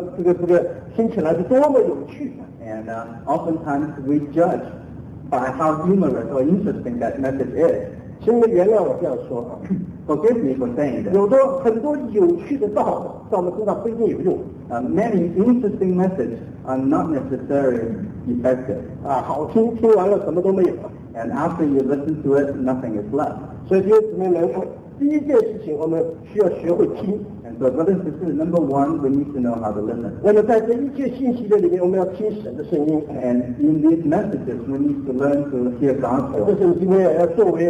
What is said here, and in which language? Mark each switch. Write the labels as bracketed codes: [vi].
[zh] 我们对这些道的这一个标准呢，是看他呢这个讲道是讲的我们这个听起来是多么有趣。 [en] And oftentimes we judge by how humorous or interesting that message is. [zh] 请你原谅我这样说啊。 [en] Forgive me for saying that. [zh] 有的很多有趣的道在我们身上不一定有用。 [en] Many interesting messages are not necessarily effective. [zh] 好听，听完了什么都没有。 [en] And after you listen to it, nothing is left. [zh] 所以弟兄姊妹们，第一件事情我们需要学会听。 [en] And so brothers and sisters, number one, we need to know how to listen. [zh] 那么在这一切信息的里面，我们要听神的声音。 [en] And in these messages, we need to learn to hear God's voice.